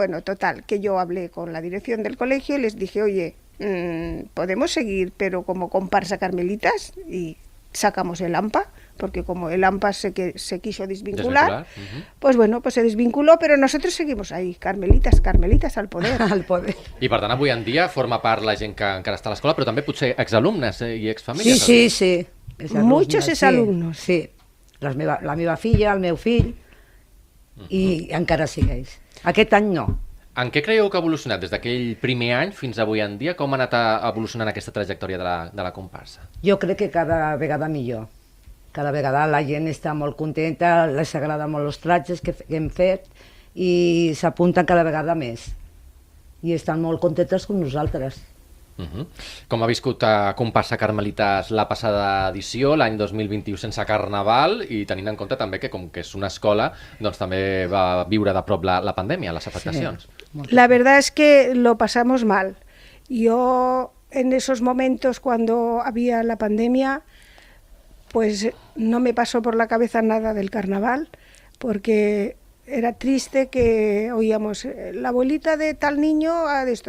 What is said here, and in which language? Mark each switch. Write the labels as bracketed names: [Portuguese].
[Spanish] Bueno, total, que yo hablé con la dirección del colegio y les dije, oye, podemos seguir, pero como comparsa Carmelitas, y sacamos el AMPA, porque como el AMPA se quiso desvincular, uh-huh. Pues bueno, pues se desvinculó, pero nosotros seguimos ahí, Carmelitas al poder. Al poder. [Catalan] I per tant, avui en dia forma part la gent que encara està a l'escola, però també potser exalumnes i exfamílies. Sí. [Spanish] Muchos exalumnos. [Catalan] Sí. La meva filla, el meu fill... Mm-hmm. I encara sigueix. Aquest any no. En què creieu que ha evolucionat des d'aquell primer any fins avui en dia? Com ha anat evolucionant aquesta trajectòria de la comparsa? Jo crec que cada vegada millor. Cada vegada la gent està molt contenta, les agrada molt els trajes que hem fet i s'apunten cada vegada més. I estan molt contentes com nosaltres. Com ha viscut Compassa Carmelitas la passada edició, l'any 2021 sense carnaval, i tenint en compte també que com que és una escola, doncs també va viure de prop la pandèmia, les afectacions. [Spanish] Sí. La verdad es que lo pasamos mal. Yo en esos momentos cuando había la pandemia, pues no me pasó por la cabeza nada del carnaval, porque era triste que oíamos la abuelita de tal niño a esto.